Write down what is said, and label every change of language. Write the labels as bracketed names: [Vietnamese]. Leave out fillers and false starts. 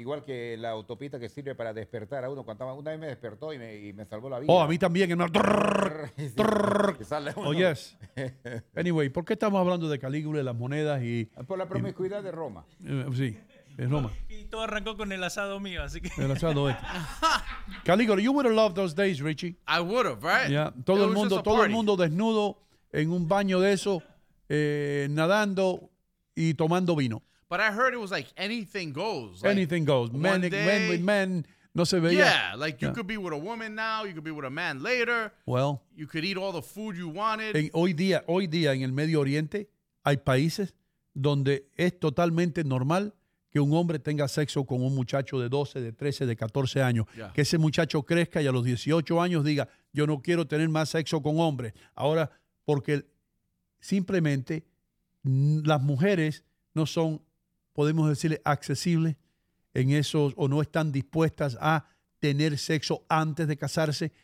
[Spanish] Igual que la autopista que sirve para despertar a uno. Una vez me despertó y me salvó la vida. Oh, a mí también. Oh, yes. Anyway, ¿por qué estamos hablando de Calígula y las monedas? Y por la promiscuidad de Roma. Sí. En Roma. Y todo arrancó con el asado mío, así que... El asado este. [English] Calígula, you would have loved those days, Richie. I would have, right? Yeah. [Spanish] Todo el mundo desnudo en un baño de eso, nadando y tomando vino. [English] But I heard it was like anything goes. Like anything goes. Men with men, [Spanish] no se veía. [English] Yeah, like you could be with a woman now, you could be with a man later. Well. You could eat all the food you wanted. [Spanish] Hoy día en el Medio Oriente hay países donde es totalmente normal que un hombre tenga sexo con un muchacho de 12, de 13, de 14 años. [English] Yeah. [Spanish] Que ese muchacho crezca y a los 18 años diga, yo no quiero tener más sexo con hombres. Ahora, porque simplemente las mujeres no son, podemos decirle, accesibles en eso, o no están dispuestas a tener sexo antes de casarse.